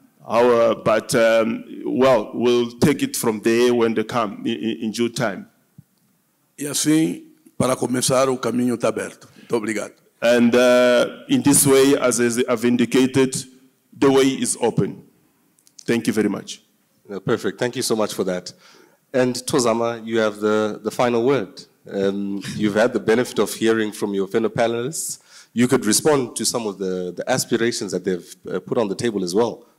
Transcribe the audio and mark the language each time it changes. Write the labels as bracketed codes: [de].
[en] But we'll take it from there when they come in due time. [pt] E assim, para começar, o caminho está aberto. Muito obrigado. [en] And in this way, as I've indicated, the way is open. Thank you very much. No, perfect. Thank you so much for that. And Tozama, you have the final word. You've had the benefit of hearing from your fellow panelists. You could respond to some of the aspirations that they've put on the table as well.